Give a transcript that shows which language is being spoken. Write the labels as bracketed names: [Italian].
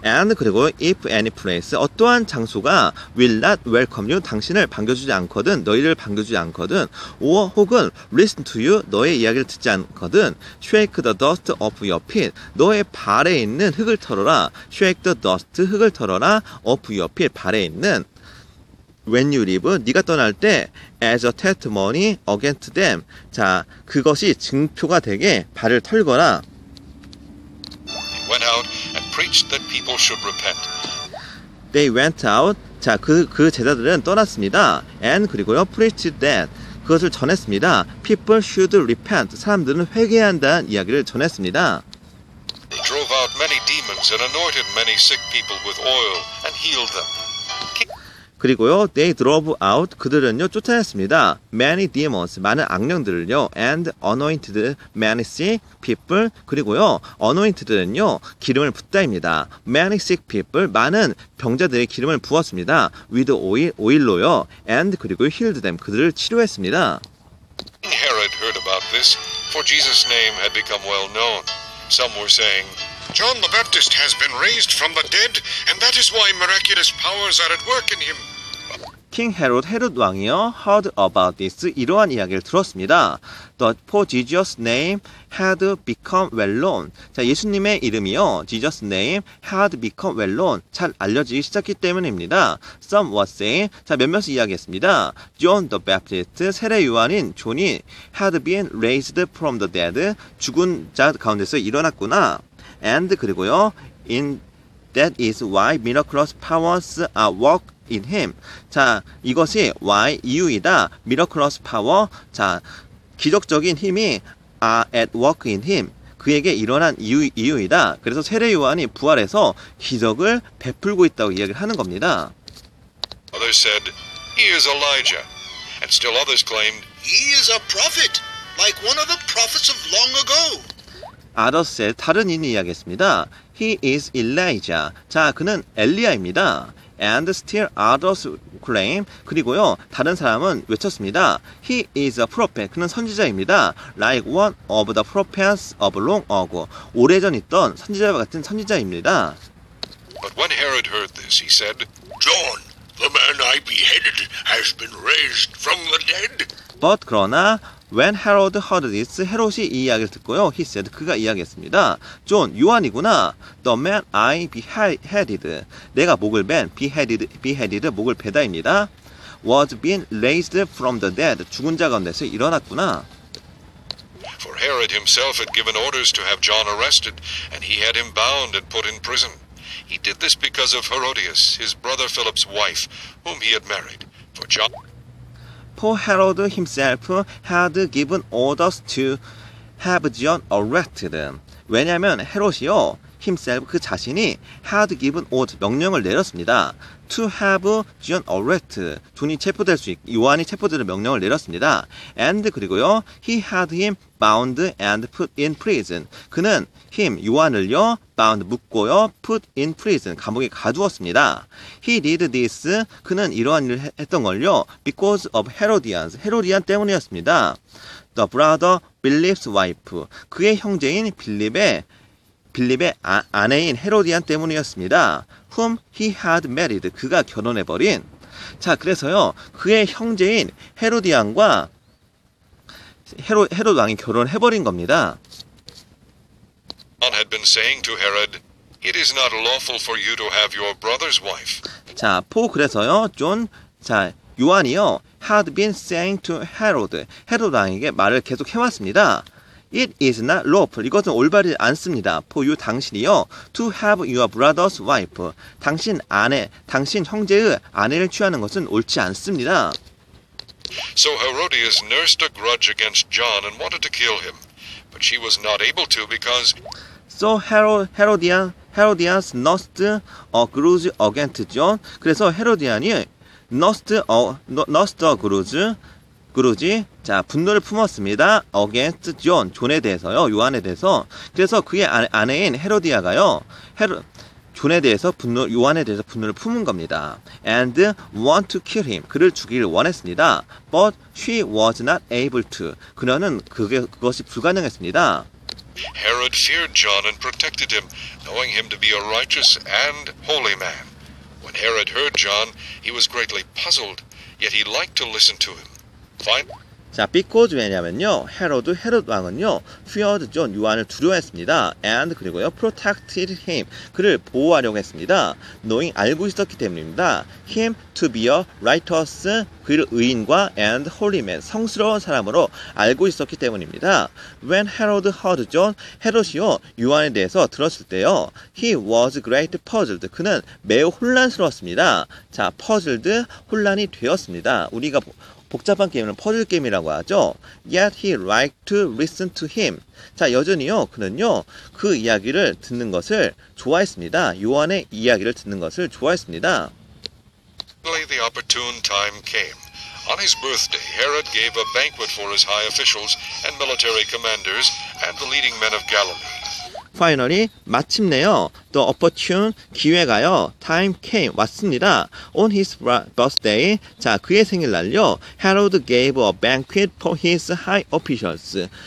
[English] And [Korean] 그리고 [English] if any place [Korean] 어떠한 장소가 [English] will not welcome you [Korean] 당신을 반겨주지 않거든 너희를 반겨주지 않거든 [English] or [Korean] 혹은 [English] listen to you [Korean] 너의 이야기를 듣지 않거든 [English] shake the dust off your feet [Korean] 너의 발에 있는 흙을 털어라 [English] shake the dust [Korean] 흙을 털어라 [English] off your feet [Korean] 발에 있는 [English] when you leave [Korean] 네가 떠날 때 [English] as a testimony against them [Korean] 자 그것이 증표가 되게 발을 털거라 [English] went out and preached that people should repent. They went out. [Korean] 자, 그 제자들은 떠났습니다. [English] And [Korean] 그리고요, [English] preached that. [Korean] 그것을 전했습니다. [English] People should repent. [Korean] 사람들은 회개한다는 이야기를 전했습니다. [English] They drove out many demons and anointed many sick people with oil and healed them. [Korean] 그리고요, [English] they drove out. [Korean] 그들은요, 쫓아냈습니다. [English] Many demons, [Korean] 많은 악령들을요, [English] and anointed many sick people. [Korean] 그리고요, anointed는요, 기름을 붓다입니다. [English] Many sick people, [Korean] 많은 병자들의 기름을 부었습니다. [English] With oil, [Korean] 오일로요, [English] and [Korean] 그리고 [English] healed them, [Korean] 그들을 치료했습니다. [English] King Herod heard about this, for Jesus' name had become well known. Some were saying, John the Baptist has been raised from the dead, and that is why miraculous powers are at work in him. King Herod, [Korean] Herod 왕이요, [English] heard about this, [Korean] 이러한 이야기를 들었습니다. [English] The poor Jesus' name had become well known. [Korean] 자, 예수님의 이름이요, [English] Jesus' name had become well known. [Korean] 잘 알려지기 시작했기 때문입니다. [English] Some was saying, [Korean] 자, 몇몇이 이야기했습니다. [English] John the Baptist, [Korean] 세례요한인 존이 [English] had been raised from the dead, [Korean] 죽은 자 가운데서 일어났구나. [English] And [Korean] 그리고요, [English] in that is why miraculous powers are work in him. [Korean] 자, 이것이 [English] why [Korean] 이유이다. [English] Miraculous power, [Korean] 자, 기적적인 힘이 [English] are at work in him. [Korean] 그에게 일어난 이유이다. 그래서 세례 요한이 부활해서 기적을 베풀고 있다고 이야기를 하는 겁니다. [English] Others said he is Elijah, and still others claimed he is a prophet, like one of the prophets of long ago. Others said, [Korean] 다른 이는 이야기했습니다. [English] He is Elijah. [Korean] 자, 그는 엘리야입니다. [English] And still others claim, [Korean] 그리고요, 다른 사람은 외쳤습니다. [English] He is a prophet. [Korean] 그는 선지자입니다. [English] Like one of the prophets of long ago. [Korean] 오래전 있던 선지자와 같은 선지자입니다. [English] But when Herod heard this, he said, John, the man I beheaded has been raised from the dead. But [Korean] 그러나, [English] When Herod heard this, [Korean] Herod이 이 이야기를 듣고요, [English] he said, [Korean] 그가 이야기했습니다. [English] John, [Korean] 요한이구나. [English] The man I beheaded, [Korean] 내가 목을 벤, [English] beheaded, [Korean] 목을 베다입니다. [English] Was being raised from the dead, [Korean] 죽은 자 가운데서 일어났구나. [English] For Herod himself had given orders to have John arrested, and he had him bound and put in prison. He did this because of Herodias, his brother Philip's wife, whom he had married. For John... For Herod himself had given orders to have John arrested. [Korean] 왜냐하면 헤롯이요, himself 그 자신이 [English] had given orders [Korean] 명령을 내렸습니다. [English] To have John arrested. [Korean] 존이 체포될 수 있, 요한이 체포되는 명령을 내렸습니다. [English] And [Korean] 그리고요, [English] he had him bound and put in prison. [Korean] 그는 him 요한을요 bound 묶고요 [English] put in prison [Korean] 감옥에 가두었습니다. [English] He did this. [Korean] 그는 이러한 일을 했던 걸요 [English] because of Herodians. [Korean] 헤로디안 때문이었습니다. [English] The brother Philip's wife. [Korean] 그의 형제인 빌립의 아내인 헤로디안 때문이었습니다. [English] Whom he had married. [Korean] 그가 결혼해버린. 자, 그래서요. 그의 형제인 헤로디안과 헤롯 왕이 결혼해버린 겁니다. [English] John had been saying to Herod, It is not lawful for you to have your brother's wife. [Korean] 자, 포 그래서요. 존, 자, 요한이요. [English] Had been saying to Herod. [Korean] 헤롯 왕에게 말을 계속 해왔습니다. [English] It is not lawful. [Korean] 이것은 올바르지 않습니다. [English] For you, [Korean] 당신이요. [English] To have your brother's wife. [Korean] 당신 아내, 당신 형제의 아내를 취하는 것은 옳지 않습니다. [English] So Herodias nursed a grudge against John and wanted to kill him. But she was not able to because... So Herodias nursed a grudge against John. [Korean] 그래서 헤로디안이 [English] nursed a grudge. [Korean] 그러지 자 분노를 품었습니다. [English] Against John, [Korean] 존에 대해서요. 요한에 대해서. 그래서 그의 아내인 헤로디아가요. 존에 대해서 분노, 요한에 대해서 분노를 품은 겁니다. [English] And want to kill him. [Korean] 그를 죽이길 원했습니다. [English] But she was not able to. [Korean] 그녀는 그것이 불가능했습니다. [English] Herod feared John and protected him, knowing him to be a righteous and holy man. When Herod heard John, he was greatly puzzled, yet he liked to listen to him. Fine. [Korean] 자, because 왜냐면요, 헤로드, 헤롯 왕은요, [English] feared John, [Korean] 요한을 두려워했습니다. [English] And [Korean] 그리고요, [English] protected him, [Korean] 그를 보호하려고 했습니다. [English] Knowing, [Korean] 알고 있었기 때문입니다. [English] Him to be a righteous, [Korean] 그를 의인과 [English] and holy man, [Korean] 성스러운 사람으로 알고 있었기 때문입니다. [English] When Herod heard John, [Korean] 헤롯이요, 요한에 대해서 들었을 때요, [English] he was great puzzled, [Korean] 그는 매우 혼란스러웠습니다. 자, puzzled, 혼란이 되었습니다. 우리가 복잡한 게임은 퍼즐 게임이라고 하죠. [English] Yet he liked to listen to him. [Korean] 자, 여전히요, 그는요, 그 이야기를 듣는 것을 좋아했습니다. 요한의 이야기를 듣는 것을 좋아했습니다. [English] The opportune time came. On his birthday, Herod gave a banquet for his high officials and military commanders and the leading men of Galilee. Finally, [Korean] 마침내요, [English] the opportune, [Korean] 기회가요, [English] time came, [Korean] 왔습니다. [English] On his birthday, [Korean] 자, 그의 생일날요, [English] Herod gave a banquet for his high officials.